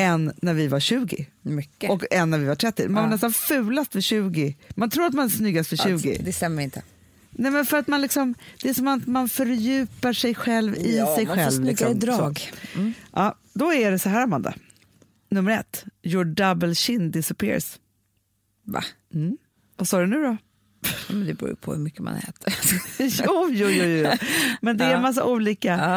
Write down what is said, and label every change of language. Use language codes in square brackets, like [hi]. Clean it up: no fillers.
[sv] Än när vi var 20. Mycket. Och än när vi var 30. Man är nästan fulast för 20. Man tror att man är snyggast för 20. Det stämmer inte. Nej, men för att man liksom, det är som att man fördjupar sig själv i sig själv. Ja, man får snyggare liksom, drag. Ja, då är det så här, Amanda. Nummer 1. [en] Your double chin disappears. [sv] Va? Mm. Vad sa du nu då? Men det beror ju på hur mycket man äter. Jo. Men det är en massa olika.